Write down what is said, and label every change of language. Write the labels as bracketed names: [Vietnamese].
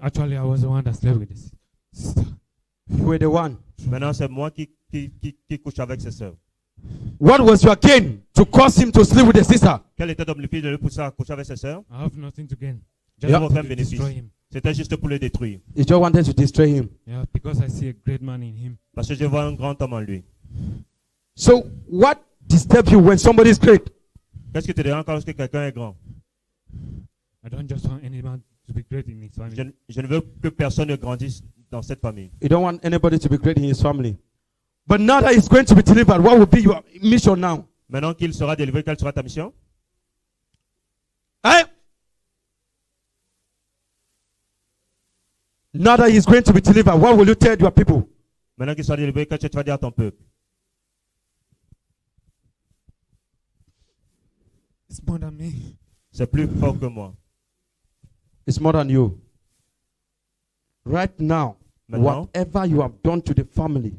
[English] Actually, I was the one that slept with his sister. You were the one. [French] Maintenant, c'est moi qui couche avec ses sœurs. [English] What was your gain to cause him to sleep with his sister? [French] Quel était ton bénéfice de le pousser à coucher avec ses sœurs? [English] I have nothing to gain. Just yep. To destroy him. [French] C'était juste pour le détruire. [English] He just wanted to destroy him. Yeah, because I see a great man in him. [French] Parce que je vois un grand homme en lui. [English] So, what disturbs you when somebody is great? [French] Qu'est-ce qui te dérange quand quelqu'un est grand? [English] I don't just want anyone to be great in his family. [French] Je ne veux que personne ne grandisse dans cette famille. [English] You don't want anybody to be great in his family. But now that he's going to be delivered, what will be your mission now? [French] Maintenant qu'il sera délivré, quelle sera ta mission? Hein? [English] Now that he's going to be delivered, what will you tell your people? [French] Maintenant qu'il sera délivré, qu'est-ce que tu vas dire à ton peuple? [English] It's more than me. [French] C'est plus fort que moi. [English] It's more than you. Right now, [French] maintenant, [English] whatever you have done to the family,